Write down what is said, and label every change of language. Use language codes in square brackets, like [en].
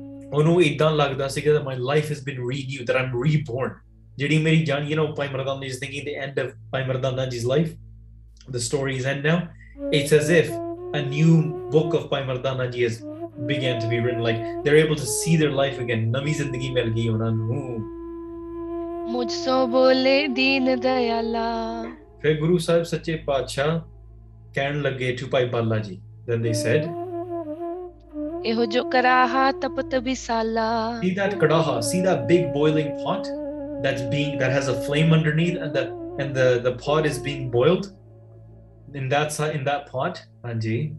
[pa] Onu idan lagda si ke [en] that my life has been renewed, that I'm reborn. [pa] Jedi meri jaan, [en] you know, Pai Mardana is thinking the end of Pai Mardana Ji's life. The story is end now. It's as if a new book of Pai Mardana Ji is began to be written, like they're able to see their life again. [pa] ਨਵੀ ਜ਼ਿੰਦਗੀ ਮਿਲ ਗਈ ਉਨ੍ਹਾਂ ਨੂੰ. Mujhso bole deen dayala. ਫਿਰ ਗੁਰੂ ਸਾਹਿਬ ਸੱਚੇ ਪਾਤਸ਼ਾ ਕਹਿਣ ਲੱਗੇ ਤੋ ਪਾਈ Balaji. [en] Then they said, [pa] Eho jo karaha tapat bisala. [en] See that kadaha, see that big boiling pot that's being, that has a flame underneath, and the pot is being boiled in that pot, Anji.